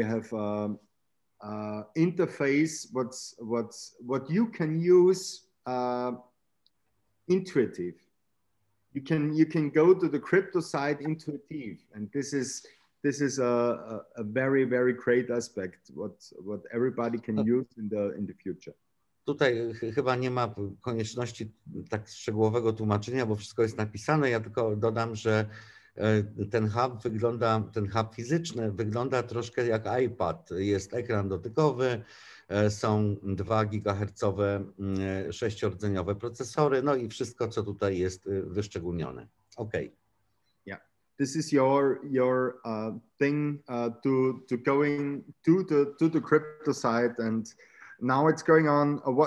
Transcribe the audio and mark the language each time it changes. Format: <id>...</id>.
<en>We have interface what you can use intuitive. You can go to the crypto side intuitive, and this is a very, very great aspect what everybody can use in the future.</en> <pl>Tutaj chyba nie ma konieczności tak szczegółowego tłumaczenia, bo wszystko jest napisane. Ja tylko dodam, że ten hub fizyczny wygląda troszkę jak iPad. Jest ekran dotykowy, są 2 gigahercowe, 6-rdzeniowe procesory, no i wszystko, co tutaj jest wyszczególnione. Okej.</pl> <en>Okay. Yeah. This is your thing to going to the crypto side, and now it's going on.</en>